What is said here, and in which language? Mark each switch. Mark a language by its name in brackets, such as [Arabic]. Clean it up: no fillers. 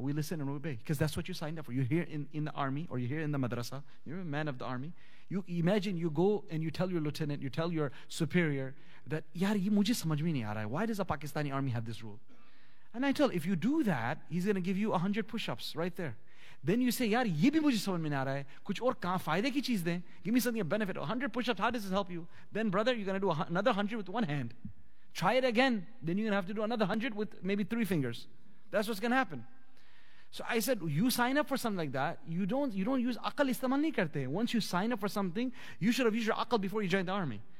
[English] We listen and we obey, because that's what you signed up for. You're here in the army, or you're here in the madrasa, you're a man of the army. You imagine you go and you tell your lieutenant, you tell your superior that, [Urdu] यार, ये मुझे समझ में नहीं आ रहा, [English] why does a Pakistani army have this rule? And I tell, if you do that, he's going to give you 100 push-ups right there. Then you say, [Urdu] यार, ये भी मुझे समझ में आ रहा है, कुछ और कहा फ़ायदे की चीज़ दें, [English] give me something of benefit. 100 push-ups, how does this help you? Then brother, you're going to do another 100 with one hand. Try it again, then you're going to have to do another 100 with maybe three fingers. That's what's going to happen. So I said, you sign up for something like that, you don't use [Urdu] aqal istamal nahi karte. [English] Once you sign up for something, you should have used your aqal before you joined the army.